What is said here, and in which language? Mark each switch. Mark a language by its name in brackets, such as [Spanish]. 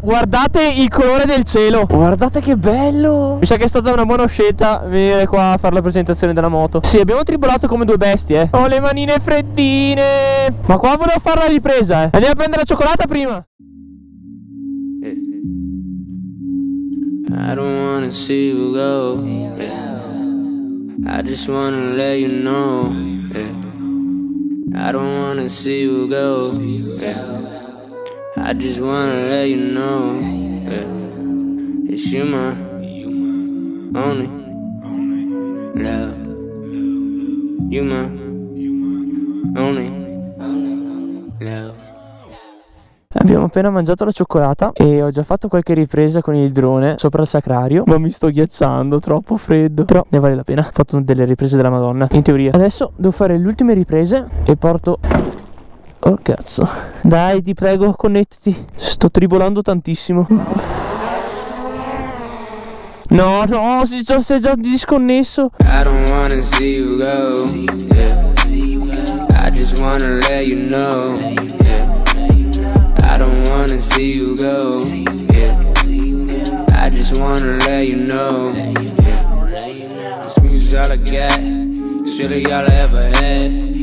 [Italian] Guardate il colore del cielo. Guardate che bello. Mi sa che è stata una buona scelta venire qua a fare la presentazione della moto. Sì, abbiamo tribolato come due bestie. Ho le manine freddine. Ma qua volevo fare la ripresa, eh. Andiamo a prendere la cioccolata prima. [English] I don't wanna see you go, yeah. I just wanna let you know, yeah. I don't wanna see you go, yeah. I just wanna let you know, yeah. It's you my only love. You my only love. [Italian] Abbiamo appena mangiato la cioccolata e ho già fatto qualche ripresa con il drone sopra il sacrario. Ma mi sto ghiacciando, troppo freddo. Però ne vale la pena. Ho fatto delle riprese della Madonna, in teoria. Adesso devo fare le ultime riprese e porto... Oh cazzo. Dai, ti prego, connettiti. Sto tribolando tantissimo. No, no, si è già disconnesso. [English] I don't wanna see you go, yeah. I just wanna let you know. I don't wanna see you go, yeah. I just wanna let you know, yeah. This music's all I got. It's really all I ever had.